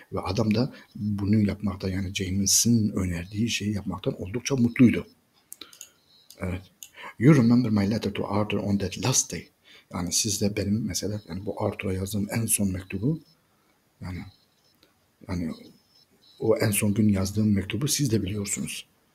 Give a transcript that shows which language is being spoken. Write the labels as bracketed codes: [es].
[tr] Ve adam da bunu yapmakta yani James'in önerdiği şeyi yapmaktan oldukça mutluydu. Evet. [en] You remember my letter to Arthur on that last day. [tr] Yani siz de benim mesela yani bu Arthur'a yazdığım en son mektubu yani o en son gün yazdığım mektubu siz de biliyorsunuz.